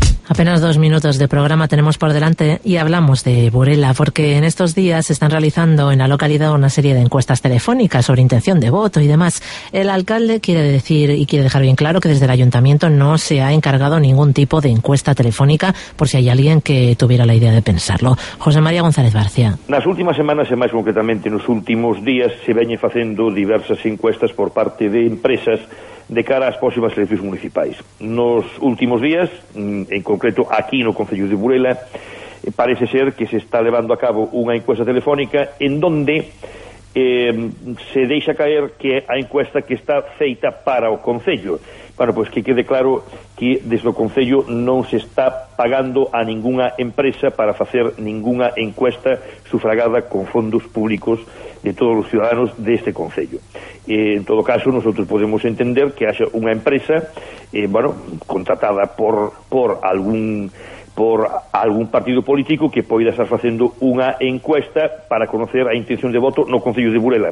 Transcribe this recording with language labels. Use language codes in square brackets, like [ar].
[es] Apenas 2 minutos de programa tenemos por delante y hablamos de Burela, porque en estos días se están realizando en la localidad una serie de encuestas telefónicas sobre intención de voto y demás. El alcalde quiere decir y quiere dejar bien claro que desde el ayuntamiento no se ha encargado ningún tipo de encuesta telefónica, por si hay alguien que tuviera la idea de pensarlo. José María González García. [gl] Nas últimas semanas, e máis concretamente nos últimos días, se veñen facendo diversas encuestas por parte de empresas de cara ás próximas eleccións municipais. Nos últimos días, en concreto aquí no Concello de Burela, parece ser que se está levando a cabo unha encuesta telefónica en donde se deixa caer que a encuesta que está feita para o Concello, Bueno, pois que quede claro que desde o Concello non se está pagando a ninguna empresa para facer ninguna encuesta sufragada con fondos públicos de todos os ciudadanos deste Concello. En todo caso, nosotros podemos entender que haxa unha empresa, bueno, contratada por algún partido político que poida estar facendo unha encuesta para conocer a intención de voto no Concello de Burela.